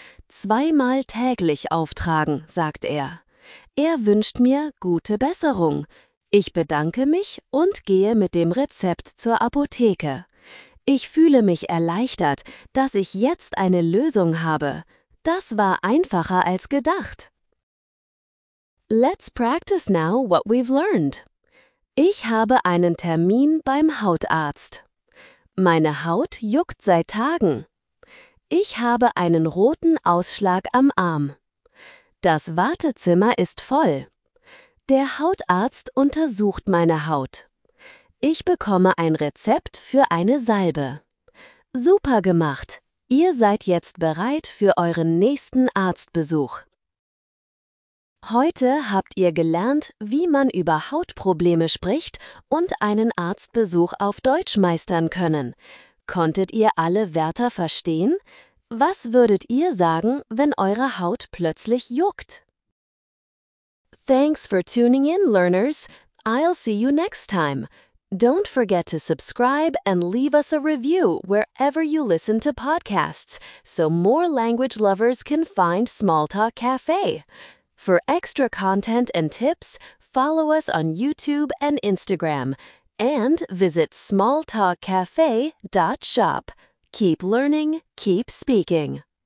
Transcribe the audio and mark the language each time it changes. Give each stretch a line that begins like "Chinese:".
German: Zweimal täglich auftragen, sagt er. Er wünscht mir gute Besserung. Ich bedanke mich und gehe mit dem Rezept zur Apotheke. Ich fühle mich erleichtert, dass ich jetzt eine Lösung habe. Das war einfacher als gedacht.
English: Let's practice now what we've learned.
German: Ich habe einen Termin beim Hautarzt. Meine Haut juckt seit Tagen. Ich habe einen roten Ausschlag am Arm. Das Wartezimmer ist voll. Der Hautarzt untersucht meine Haut. Ich bekomme ein Rezept für eine Salbe. Super gemacht! Ihr seid jetzt bereit für euren nächsten Arztbesuch. Heute habt ihr gelernt, wie man über Hautprobleme spricht und einen Arztbesuch auf Deutsch meistern können. Konntet ihr alle Wörter verstehen? Was würdet ihr sagen, wenn eure Haut plötzlich juckt?
English: Thanks for tuning in, learners. I'll see you next time. Don't forget to subscribe and leave us a review wherever you listen to podcasts, so more language lovers can find Smalltalk Cafe. For extra content and tips, follow us on YouTube and Instagram, and visit smalltalkcafe.shop. Keep learning, keep speaking.